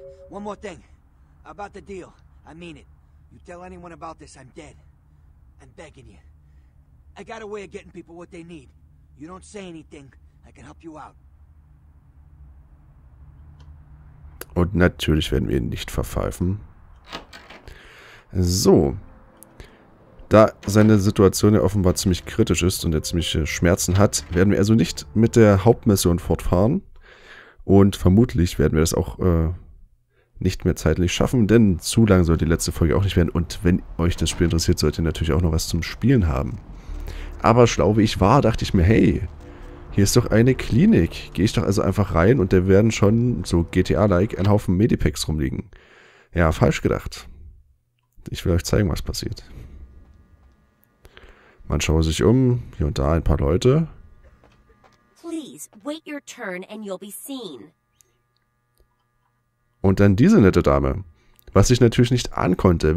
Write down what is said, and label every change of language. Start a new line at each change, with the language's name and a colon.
English: One more thing. About the deal. I mean it. You tell anyone about this, I'm dead. I'm begging you. I got a way of getting people what they need. You don't say anything, I can help you out.
German: Und natürlich werden wir ihn nicht verpfeifen. So. Da seine Situation ja offenbar ziemlich kritisch ist und er ziemlich Schmerzen hat, werden wir also nicht mit der Hauptmission fortfahren. Und vermutlich werden wir das auch nicht mehr zeitlich schaffen, denn zu lang soll die letzte Folge auch nicht werden. Und wenn euch das Spiel interessiert, solltet ihr natürlich auch noch was zum Spielen haben. Aber schlau wie ich war, dachte ich mir, hey, hier ist doch eine Klinik. Gehe ich doch also einfach rein und da werden schon, so GTA-like, ein Haufen Medipacks rumliegen. Ja, falsch gedacht. Ich will euch zeigen, was passiert. Man schaue sich um, hier und da ein paar Leute.
English: Please wait your turn and you'll be seen.
German: Und dann diese nette Dame, was ich natürlich nicht ankonnte.